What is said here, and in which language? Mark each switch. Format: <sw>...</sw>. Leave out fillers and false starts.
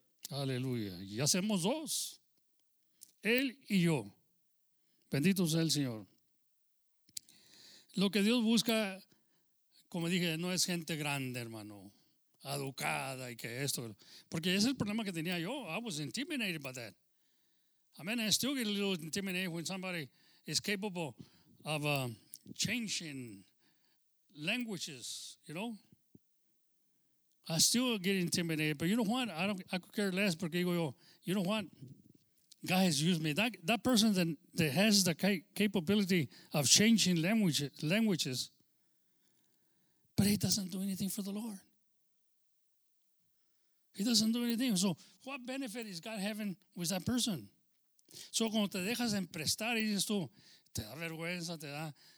<es>Aleluya. Y hacemos dos. Él y yo. Bendito sea el Señor. Lo que Dios busca, como dije, no es gente grande, hermano. Educada y que esto. Porque ese es el problema que tenía yo.</es> <en>I was intimidated by that. I mean, I still get a little intimidated when somebody is capable of changing languages, you know. I still get intimidated, but you know what? I could care less,</en> <es>porque digo yo,</es> <en>you know what? God has used me. That person that has the capability of changing languages, but he doesn't do anything for the Lord. He doesn't do anything. So what benefit is God having with that person?</en> <es>So cuando te dejas emprestar y dices tú, te da vergüenza, te da...</es>